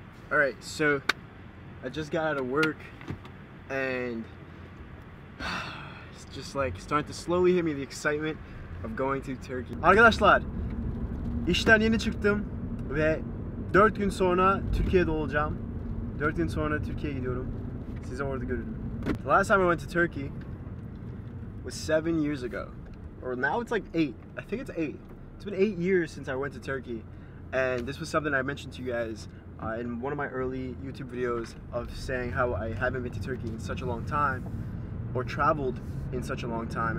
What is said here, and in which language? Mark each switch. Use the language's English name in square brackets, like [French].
[English] All right, so I just got out of work and it's just like starting to slowly hit me the excitement of going to Turkey. [Turkish] Arkadaşlar, işten yeni çıktım ve 4 gün sonra Türkiye'de olacağım. 4 gün sonra Türkiye'ye gidiyorum. Sizi orada görürüm. [English] The last time I went to Turkey was 7 years ago. Or now it's like 8. I think it's 8. It's been 8 years since I went to Turkey. And this was something I mentioned to you guys in one of my early YouTube videos of saying how I haven't been to Turkey in such a long time or traveled in such a long time.